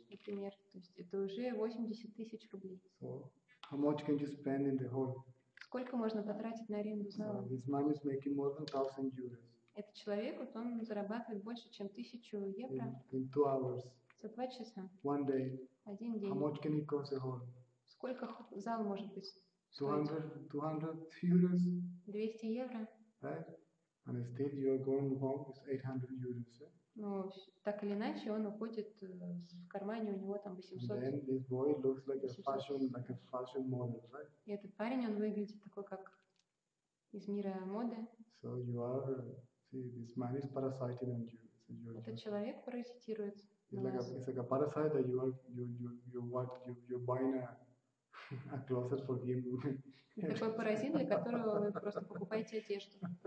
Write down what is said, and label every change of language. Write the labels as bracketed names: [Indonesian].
[Russian] Например, то есть это уже 80 тысяч рублей. [English] So, how much can you spend in the whole? [Russian] Сколько можно потратить на аренду зала? [English] This man is making more than 1,000 euros. [Russian] Этот человек, вот он зарабатывает больше, чем 1,000 евро. [English] In 2 hours. [Russian] За 2 часа. [English] One day. [Russian] Один день. [English] How much can it cost a hall? [Russian] Сколько зал может быть стоить? [English] 200 euros. [Russian] 200 евро. [English] Right? And instead you are going home with 800 euros. Yeah? [Russian] Ну, так или иначе, он уходит в кармане, у него там 800. [English] And then this boy looks like a fashion model, right? [Russian] И этот парень, он выглядит такой, как из мира моды. [English] So you are, see, this man is parasiting on you. So [Russian] этот just, человек паразитирует. [English] It's like a parasite that you're buying a closet for him. [Russian] Такой паразит, для которого вы просто покупаете одежду.